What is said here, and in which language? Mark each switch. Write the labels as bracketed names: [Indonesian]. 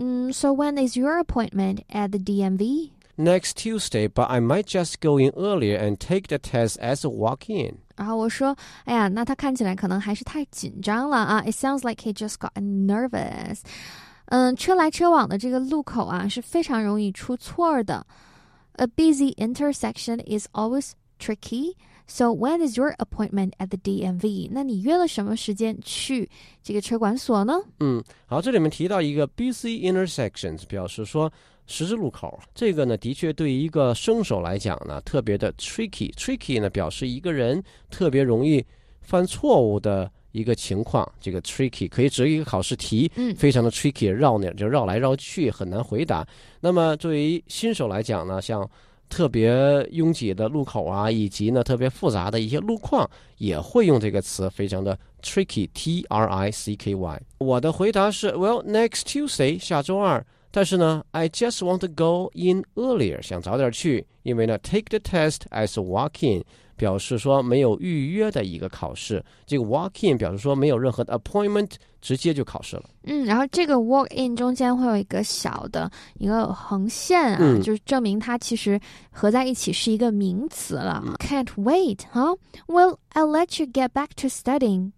[English] So when is your appointment at the DMV? Next Tuesday, but I might just go in earlier and take the test as a walk-in. [Chinese] 然后我说，哎呀，那他看起来可能还是太紧张了啊。 [English] It sounds like he just got nervous. [Chinese] 车来车往的这个路口啊，是非常容易出错的。 [English] A busy intersection is always tricky. So when is your appointment at the DMV? [Chinese] 那你约了什么时间去这个车管所呢？好，这里面提到一个 [English] busy intersections， [Chinese] 表示说十字路口。这个呢，的确对于一个生手来讲呢，特别的 tricky。 tricky 呢，表示一个人特别容易犯错误的一个情况。这个 tricky 可以指一个考试题，非常的 tricky， 绕哪就绕来绕去，很难回答。那么对于新手来讲呢，像特别拥挤的路口啊，以及呢特别复杂的一些路况，也会用这个词，非常的 tricky， T R I C K Y。我的回答是 ， [English] Well， next Tuesday， [Chinese] 下周二。但是呢 ， [English] I just want to go in earlier， [Chinese] 想早点去，因为呢 ， [English] take the test as a walk-in， [Chinese] 表示说没有预约的一个考试。这个 walk-in 表示说没有任何的 appointment， 直接就考试了。然后这个 walk-in 中间会有一个小的一个横线啊，就是证明它其实合在一起是一个名词了。 [English] Can't wait, huh? Well, I'll let you get back to studying.